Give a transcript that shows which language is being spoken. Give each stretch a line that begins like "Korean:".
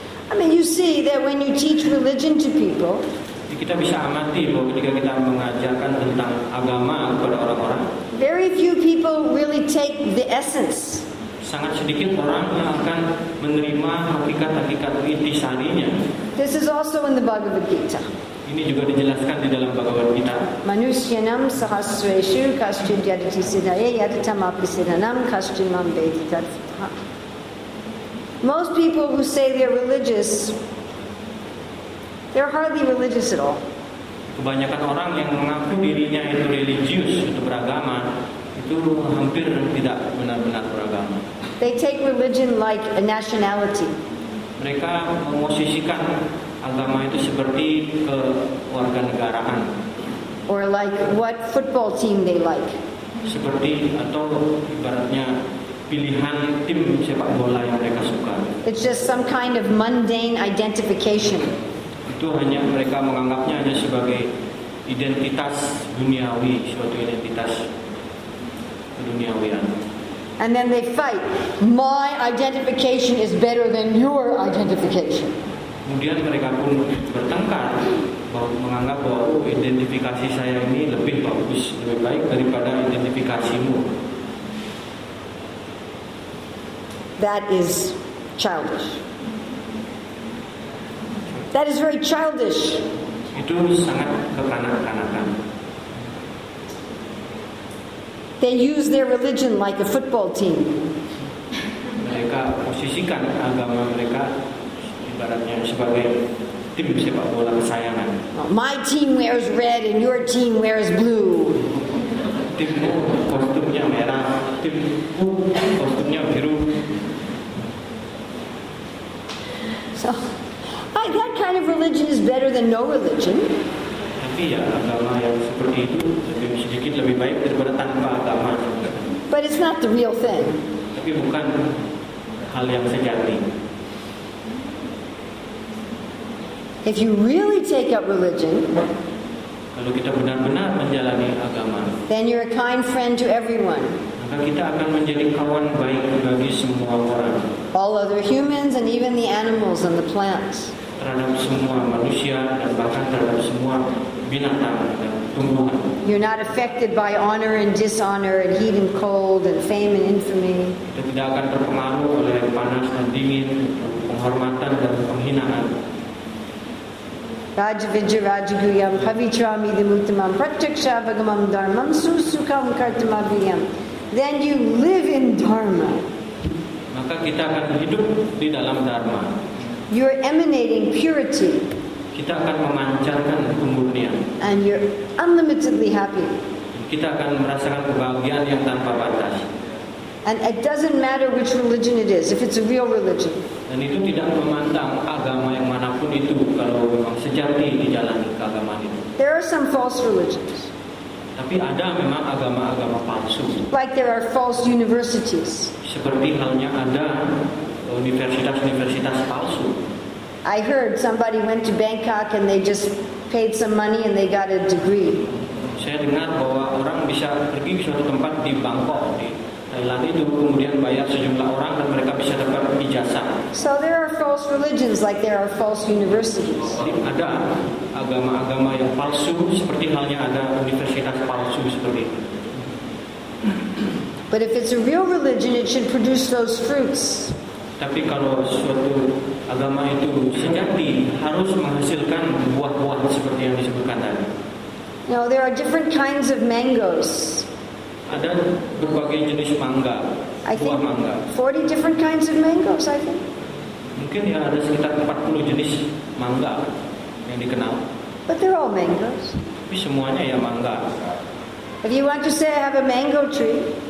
English: I mean, you see that when you teach religion to people,
Indonesian: kita bisa amati bahwa ketika kita mengajarkan tentang agama kepada orang-orang,
English: very few people really take the essence.
Indonesian: Sangat sedikit orang yang akan menerima hakikat-hakikat intisarinya.
English: This is also in the Bhagavad Gita.
Indonesian: Ini juga dijelaskan di dalam Bhagavad Gita.
Sanskrit: Manusyanam sahasreshu kaschid yadati siddhaye yadatam apisiddhanam kaschid mam veditat.
English: Most people who say they're religious, they're hardly religious at all.
Indonesian: Kebanyakan orang yang mengaku dirinya itu religius, itu beragama, itu hampir tidak benar-benar beragama.
English: They take religion like a nationality.
Indonesian: Mereka memosisikan agama itu seperti kewarganegaraan.
English: Or like what football team they like.
Indonesian: Seperti atau ibaratnya pilihan tim sepak bola yang mereka suka.
English: It's just some kind of mundane identification.
Indonesian: Itu hanya mereka menganggapnya hanya sebagai identitas duniawi, suatu identitas keduniawian.
English: And then they fight. My identification is better than your identification.
Indonesian: Kemudian mereka pun bertengkar bahwa menganggap bahwa identifikasi saya ini lebih bagus, lebih baik daripada identifikasimu.
English: That is childish. That is very childish.
Indonesian: Itu sangat kekanak-kanakan.
English: They use their religion like a football team.
Indonesian: Mereka posisikan agama mereka ibaratnya sebagai tim sepak bola kesayangan.
English: My team wears red and your team wears blue.
Indonesian: Timmu kostumnya merah, timku kostumnya biru.
English: So, that kind of religion is better than no religion.
Indonesian: Tapi ya, agama yang seperti itu lebih sedikit lebih baik daripada tanpa agama.
English: But it's not the real thing.
Indonesian: Tapi bukan hal yang sejati.
English: If you really take up religion,
Indonesian: kalau kita benar-benar menjalani agama,
English: then you're a kind friend to everyone.
Indonesian: Kita akan menjadi kawan baik bagi semua orang.
English: All other humans and even the animals and the plants.
Indonesian: Terhadap semua manusia dan bahkan terhadap semua binatang dan tumbuhan.
English: You're not affected by honor and dishonor and heat and cold and fame and infamy.
Indonesian: Kita tidak akan terpengaruh oleh panas dan dingin, penghormatan dan penghinaan.
Sanskrit: Rajvijja Rajguyam Pavitram Idamutamam Pratyaksha Bhagamam Dharmam Susukam Kartamabhiyam.
English: Then you live in dharma.
Indonesian: Maka kita akan hidup di dalam dharma.
English: You're emanating purity.
Indonesian: Kita akan memancarkan kemurnian.
English: And you're unlimitedly happy.
Indonesian: Kita akan merasakan kebahagiaan yang tanpa batas.
English: And it doesn't matter which religion it is, if it's a real religion.
Indonesian: Dan itu tidak memandang agama yang manapun itu kalau memang sejati dijalani keagamaan itu.
English: There are some false religions.
Indonesian: Tapi ada memang agama-agama palsu.
English: Like there are false universities.
Indonesian: Seperti halnya ada universitas-universitas palsu.
English: I heard somebody went to Bangkok and they just paid some money and they got a degree.
Indonesian: Saya dengar bahwa orang bisa pergi ke suatu tempat di Bangkok di Thailand itu kemudian bayar sejumlah orang dan mereka bisa dapat ijazah.
English: So there are false religions like there are false universities.
Indonesian: Ada agama-agama yang palsu seperti halnya ada universitas palsu seperti itu.
English: But if it's a real religion, it should produce those fruits.
Indonesian: Tapi kalau suatu agama itu sejati harus menghasilkan buah-buah seperti yang disebutkan tadi.
English: Now there are different kinds of mangoes.
Indonesian: Ada berbagai jenis mangga, buah mangga.
English: 40 different kinds of mangoes, I think.
Indonesian: Mungkin ya ada sekitar 40 jenis mangga yang dikenal.
English: But they're all mangoes.
Indonesian: Tapi semuanya ya mangga.
English: If you want to say I have a mango tree,